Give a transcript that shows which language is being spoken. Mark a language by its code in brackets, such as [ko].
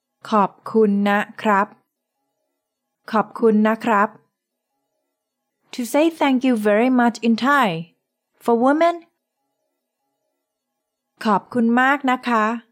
[th] ขอบคุณนะครับขอบคุณนะครับ. [en] To say thank you very much in Thai. For women, [th] ขอบคุณมากนะคะ.